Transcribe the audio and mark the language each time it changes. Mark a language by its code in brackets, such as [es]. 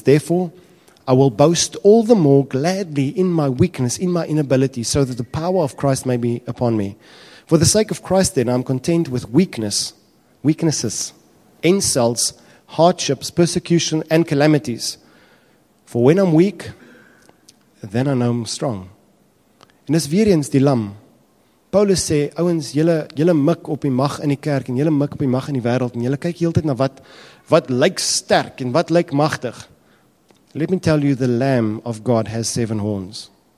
[en] Therefore, I will boast all the more gladly in my weakness, in my inability, so that the power of Christ may be upon me. For the sake of Christ then, I'm content with weaknesses, insults, hardships, persecution, and calamities. For when I'm weak, then I know I'm strong. [af] En dis weer eens die lam. Paulus sê, ouens, julle mik op die mag in die kerk, en julle mik op die mag in die wêreld, en julle kyk heeltyd na wat lyk sterk, en wat lyk magtig. [en] Let me tell you, the Lamb of God has 7 horns.